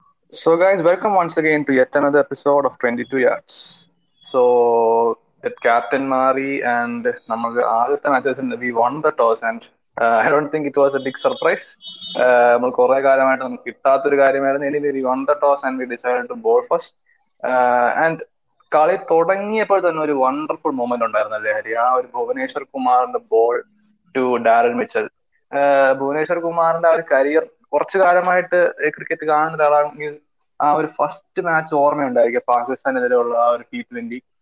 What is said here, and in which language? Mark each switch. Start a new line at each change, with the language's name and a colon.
English: So guys, welcome once again to yet another episode of 22 Yards. So that Captain Mari and
Malayalam: നമ്മുടെ ആദ്യത്തെ matches
English: we won the toss and I don't think it was a big surprise.
Malayalam: നമ്മൾ കുറെ കാലമായിട്ട് നമുക്ക് കിട്ടാത്ത ഒരു കാര്യമായിരുന്നു. ഇനി
English: we won the toss and we decided to bowl first.
Malayalam: And കളി തുടങ്ങിയപ്പോൾ തന്നെ ഒരു വണ്ടർഫുൾ മൊമെന്റ് ഉണ്ടായിരുന്നു അല്ലേ ഹരി? ആ ഒരു ഭുവനേശ്വർ കുമാറിന്റെ ball two Darren Mitchell. Bhubaneswar കുമാറിന്റെ ആ ഒരു കരിയർ കുറച്ചു കാലമായിട്ട് ക്രിക്കറ്റ് കാണുന്ന ഒരാളാണെങ്കിൽ ആ ഒരു ഫസ്റ്റ് മാച്ച് ഓർമ്മയുണ്ടായിരിക്കും, പാകിസ്ഥാനെതിരെയുള്ള ആ ഒരു T20.